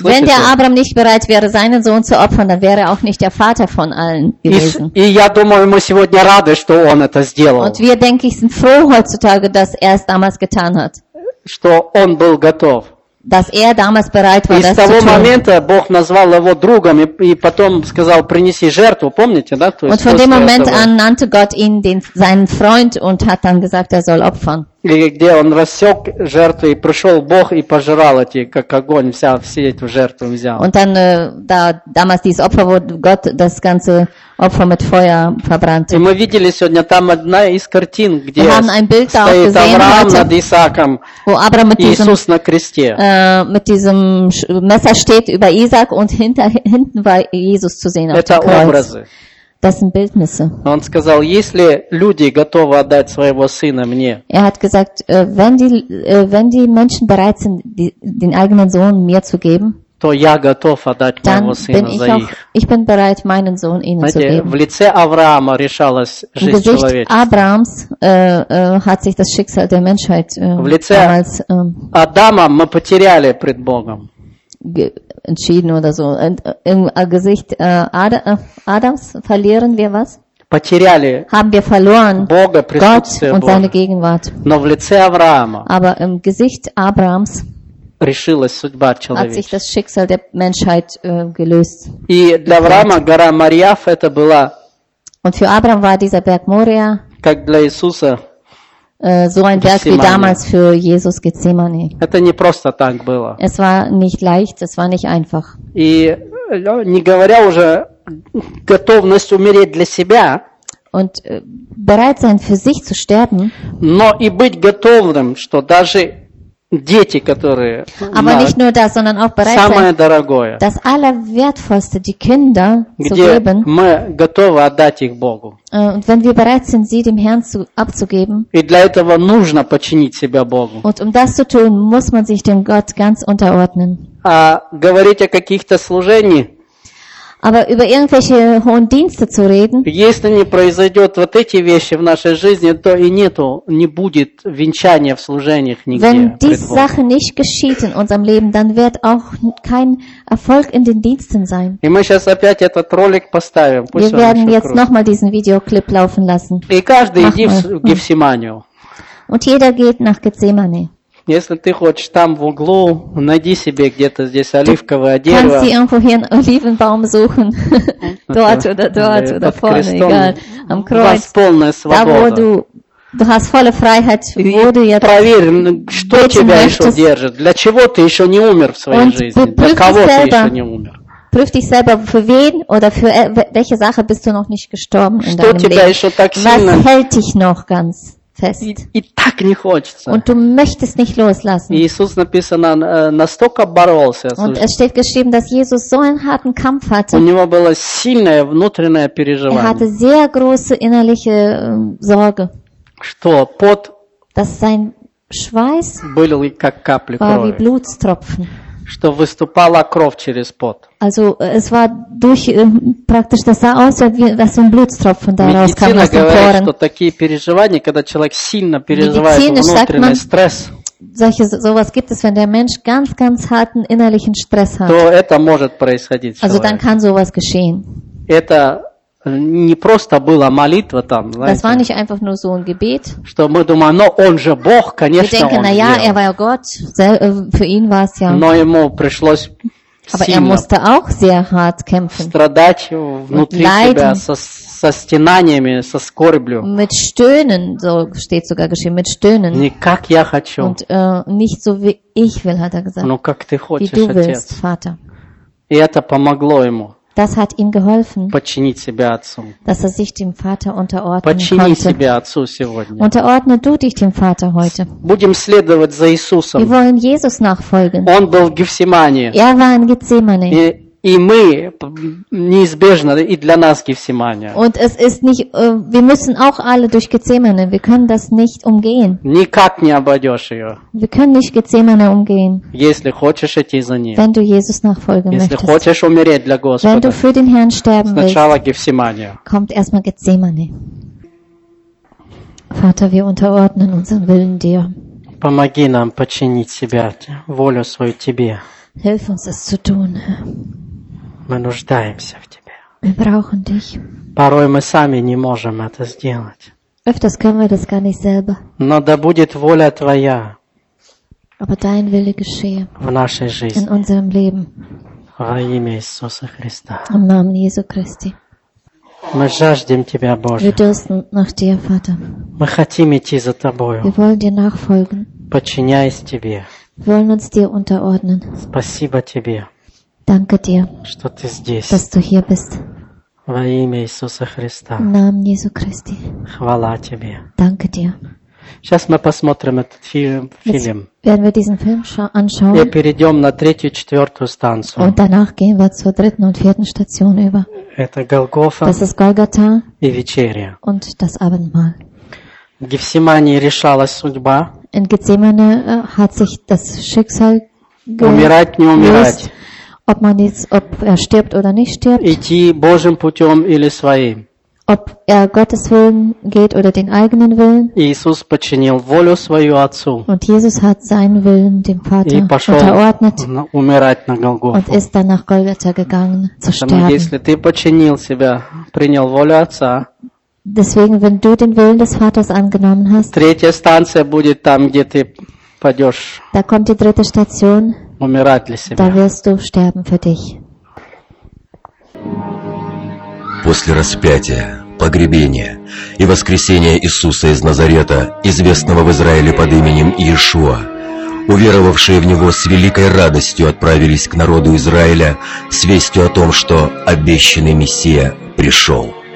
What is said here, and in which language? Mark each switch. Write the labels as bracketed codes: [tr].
[de] Wenn der Abraham nicht bereit wäre, seinen Sohn zu opfern, dann wäre er auch nicht der Vater von allen gewesen. [ru] И я думаю, мы сегодня рады, что он это сделал. [de] Und wir, denke ich, sind froh heutzutage, dass es damals getan hat. [ru] Что он был готов. [de] Dass damals bereit war, [ru] и с того момента Бог назвал его другом и потом сказал, принеси жертву, помните, да? [de] Und von dem Moment an nannte Gott ihn seinen Freund und hat dann gesagt, soll opfern. [ru] или где он рассек жертву и пришел Бог и пожрал эти, как огонь, вся, все эти жертвы взял. [de] Und dann, da, damals dieses Opfer, wo Gott das ganze Opfer mit Feuer verbrannte. [ru] И мы видели сегодня там одна из картин, где стоит Авраам над Исааком, [de] Abraham mit diesem, [ru] Иисус на кресте. [de] Mit diesem Messer steht über Isaac und hinten war Jesus zu sehen auf dem Kreuz. [ru] Это образы. [de] Das sind Bildnisse. [ru] Он сказал, если люди готовы отдать своего сына мне. [de] Er hat gesagt, wenn die Menschen bereit sind, den eigenen Sohn mir zu geben, [ru] то я готов отдать моего сына за их. [de] Ich bin bereit, meinen Sohn ihnen [ru] Знаете, [de] zu geben. [ru] В лице Авраама решалась жизнь человечества. В лице Авраамс [de] hat sich das Schicksal der Menschheit damals. [ru] Адама мы потеряли пред Богом. [de] Entschieden oder so. Im Gesicht Adams verlieren wir was? [ru] Потеряли [de] haben wir verloren [ru] Бога, [de] Gott und seine Gegenwart. [ru] Но в лице Авраама [de] aber im Gesicht Abrahams [ru] решилась судьба человечества. [de] Hat sich das Schicksal der Menschheit gelöst. [ru] И для Авраама гора Мориав это была [de] und für Abraham war dieser Berg Moria [ru] как для Иисуса [de] so ein Berg wie damals für Jesus Gethsemane. [ru] Это не просто так было. [de] Es war nicht leicht, es war nicht einfach. [ru] И не говоря уже готовность умереть для себя. [de] Und bereit sein für sich zu sterben. [ru] Но и быть готовым, что даже дети, которые. [de] Aber nicht nur das, sondern auch bereit [ru] самое [de] sein. [ru] Самое дорогое. [de] Das allerwertvollste, die Kinder zu geben. [ru] Где мы готовы отдать их Богу. [de] Und wenn wir bereit sind, sie dem Herrn abzugeben. [ru] И для этого нужно подчинить себя Богу. [de] Und um das zu tun, muss man sich dem Gott ganz unterordnen. [ru] А говорить о каких-то служениях. [de] Aber über irgendwelche hohen Dienste zu reden. [ru] Если не произойдет вот эти вещи в нашей жизни, то и нету, не будет венчания в служениях нигде. [de] Wenn diese Sache nicht geschieht in unserem Leben, dann wird auch kein Erfolg in den Diensten sein. [ru] И мы сейчас опять этот ролик поставим. [de] Wir werden jetzt nochmal diesen Videoclip laufen lassen. [ru] И каждый иди в Гефсиманию. [de] Und jeder geht nach Gethsemane. [ru] Если ты хочешь там в углу, найди себе где-то здесь оливковое дерево. [de] Kannst du irgendwo hier einen Olivenbaum suchen? dort oder vorne, egal. Am Kreuz. Du hast [ru] полная свобода. [de] Da, wo du hast volle Freiheit, wo du jetzt. [ru] Проверь, что тебя еще держит. Для чего ты еще не умер в своей жизни? Для кого ты еще не умер? [de] Prüf dich selber, für wen oder für welche Sache bist du noch nicht gestorben in [ru] что [de] deinem [ru] тебя [de] Leben? [ru] Еще так [de] Was [ru] сильно? [de] Hält dich noch ganz? [ru] И так не хочется. [de] Und du möchtest nicht loslassen. [ru] Иисус написано настолько боролся. [de] Und es steht geschrieben, dass Jesus so einen harten Kampf hatte. [ru] У него было сильное внутреннее переживание. [de] Er hatte sehr große innerliche Sorge. [ru] Что пот? [de] Dass sein Schweiß [ru] был как капли крови. [de] War wie Blutstropfen. [ru] Что выступала кровь через пот. [de] Also es war durch praktisch das sah aus, als ein Blutstropfen da rauskam aus den Poren. [ru] Медицина говорит, что такие переживания, когда человек сильно переживает внутренний стресс. [de] Solche sowas gibt es, wenn der Mensch ganz ganz harten innerlichen Stress hat. [ru] То это может происходить. [de] Also [ru] человек. [de] Dann kann sowas geschehen. [ru] Это не просто была молитва там, знаете, [de] das war nicht einfach nur so ein Gebet. [ru] Что мы думаем, но он же Бог, конечно, [de] wir denken, [ru] он [de] ja, er war ja Gott, für ihn war es ja. [ru] Но ему пришлось [de] aber er musste auch sehr hart kämpfen. [ru] Страдать внутри себя со стенаниями, со скорблю. [de] Mit Stöhnen, so steht sogar geschrieben, mit Stöhnen. [ru] Не как я хочу. [de] Und nicht so wie ich will, hat er gesagt. [ru] Но как ты хочешь, [de] wie du [ru] отец. [de] Willst, Vater. [ru] И это помогло ему. [de] Das hat ihm geholfen, [ru] подчинить себя отцу. [de] Dass er sich dem Vater unterordnen [ru] подчини [de] konnte. [ru] Себя отцу сегодня. [de] Unterordne du dich dem Vater heute. [ru] Будем следовать за Иисусом. [de] Wir wollen Jesus nachfolgen. [ru] Он был в Гефсимании. [de] Er war in Gethsemane. [ru] И мы неизбежно и для нас Гефсимания. [de] Und es ist nicht, wir müssen auch alle durch Gethsemane. Wir können das nicht umgehen. [ru] Никак не обойдешь ее. [de] Wir können nicht Gethsemane umgehen. [ru] Если хочешь идти за ним. [de] Wenn du Jesus nachfolgen [ru] если [de] möchtest. [ru] Если хочешь умереть для Господа. [de] Wenn du für den Herrn sterben [ru] сначала [de] willst. [ru] Сначала Гефсимания. [de] Kommt erstmal Gethsemane. Vater, wir unterordnen unseren Willen dir. [ru] Помоги нам подчинить себя волю свою тебе. [de] Hilf uns es zu tun. [ru] Мы нуждаемся в Тебе. Мы [de] brauchen dich. [ru] Порой мы сами не можем это сделать. [de] Öfters können wir das gar nicht selber. [ru] Но да будет воля Твоя. [de] Aber dein Wille geschehe. [ru] В нашей жизни. [de] In unserem Leben. [ru] Во имя Иисуса Христа. [de] Im Namen Jesu Christi. [ru] Мы жаждем Тебя, Боже. [de] Wir dürsten nach Dir, Vater. [ru] Мы хотим идти за Тобою. [de] Wir wollen Dir nachfolgen. [ru] Подчиняясь Тебе. [de] Wir wollen uns Dir unterordnen. [ru] Спасибо Тебе. [de] Danke Dir, [ru] что Ты здесь. [de] Dass Du hier bist. [ru] Во имя Иисуса Христа. В имя Иисуса Христа. Хвала Тебе. [de] Danke Dir. [ru] Сейчас мы посмотрим этот фильм. [de] Werden wir diesen Film anschauen. [ru] И перейдем на третью, четвертую станцию. [de] Und danach gehen wir zur dritten und vierten Station über. [ru] Это Голгофа. [de] Das ist Golgatha. [ru] И вечеря. [de] Und das Abendmahl. [ru] В Гефсимании решалась судьба. [de] In Gethsemane hat sich das Schicksal gelöst. [ru] Умирать, не умирать. [de] Ob man jetzt, ob er stirbt oder nicht stirbt. [ru] Идти Божьим путем или своим. [de] Ob er Gottes Willen geht oder den eigenen Willen. [ru] Иисус подчинил волю свою Отцу. [de] Und Jesus hat seinen Willen dem Vater unterordnet. [ru] Умирать на Голгофу. [de] Und ist dann nach Golgatha gegangen, zu sterben. [ru] Если ты подчинил себя, принял волю Отца. [de] Deswegen, wenn du den Willen des Vaters angenommen hast. [ru] Третья станция будет там, где ты пойдешь. [de] Da kommt die dritte Station. [ru] Умирать для себя. [de] Da wirst du sterben für dich. [ru] После распятия, погребения и воскресения Иисуса из Назарета, известного в Израиле под именем Иешуа, уверовавшие в Него с великой радостью отправились к народу Израиля с вестью о том, что обещанный Мессия пришел.